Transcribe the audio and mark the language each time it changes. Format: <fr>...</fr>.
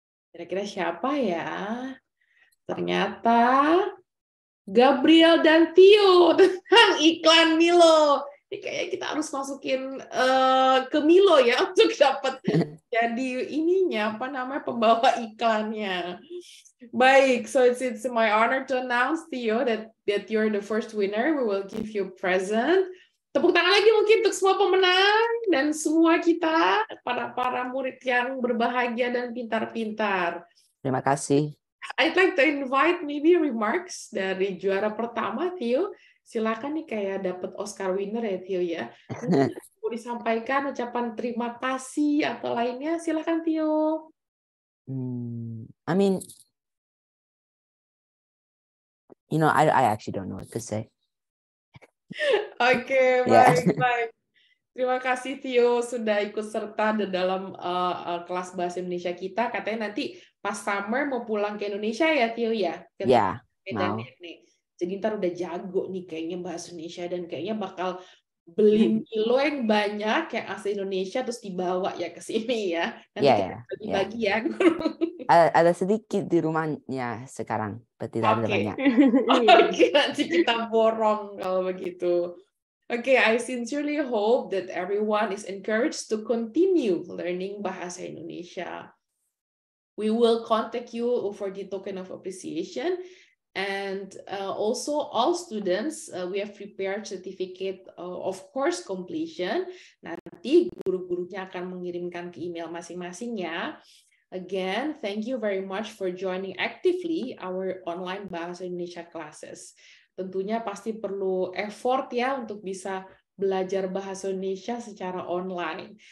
<id>Kira-kira siapa ya? Ternyata Gabriel dan Tio tentang iklan Milo. Kayaknya kita harus masukin ke Milo ya untuk dapat jadi ininya, apa namanya, pembawa iklannya. Baik,</id> <en>so it's my honor to announce Tio that you're the first winner. We will give you a present.</en> <id>Tepuk tangan lagi mungkin untuk semua pemenang dan semua kita, para murid yang berbahagia dan pintar-pintar. Terima kasih.</id> <en>I'd like to invite maybe remarks</en> <id>dari juara pertama,</id> <en>Tio.</en> <id>Silakan nih, kayak dapat Oscar winner ya, Tio ya. Mau disampaikan ucapan terima kasih atau lainnya, silakan Tio.</id> <en>I mean, you know, I actually don't know what to say.</en> <id>Oke, baik. Terima kasih Tio sudah ikut serta dalam kelas bahasa Indonesia kita. Katanya nanti pas summer mau pulang ke Indonesia ya, Tio ya. Iya. Jadi ntar udah jago nih kayaknya bahasa Indonesia dan kayaknya bakal beli Milo yang banyak kayak asli Indonesia terus dibawa ya ke sini ya. Bagi-bagi ya. Ada sedikit di rumahnya sekarang, berarti tidak ada banyak. Oke, nanti kita borong kalau begitu.</id> <en>Oke, I sincerely hope that everyone is encouraged to continue learning bahasa Indonesia. We will contact you for the token of appreciation. And also all students, we have prepared certificate of course completion.</en> <id>Nanti guru-gurunya akan mengirimkan ke email masing-masing ya.</id> <en>Again, thank you very much for joining actively our online Bahasa Indonesia classes.</en> <id>Tentunya pasti perlu effort ya untuk bisa belajar Bahasa Indonesia secara online.</id>